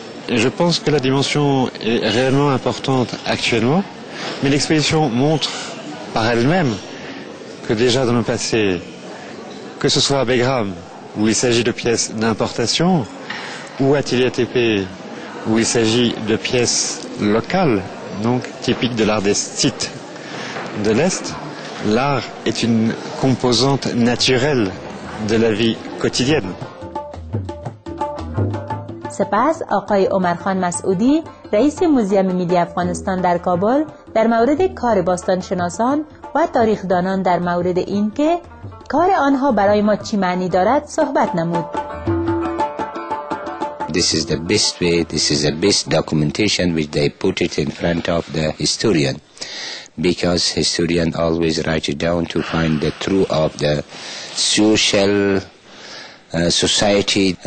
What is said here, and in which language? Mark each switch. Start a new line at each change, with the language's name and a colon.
French: je pense que la dimension est réellement importante actuellement, mais l'exposition montre par elle-même que déjà dans le passé, que ce soit à Bagram, où il s'agit de pièces d'importation, ou à Tiliatep, où il s'agit de pièces locales, donc typiques de l'art des sites de l'Est, l'art est une composante naturelle de la vie quotidienne.
Persian: سپس آقای عمرخان مسعودی رئیس موزیم ملی افغانستان در کابل در مورد کار باستان شناسان و تاریخ دانان در مورد این که کار آنها برای ما چی معنی دارد صحبت نمود.
English: This is the best way, this is the best documentation which they put it in front of the historian, because historian always write it down to find the truth of the social society.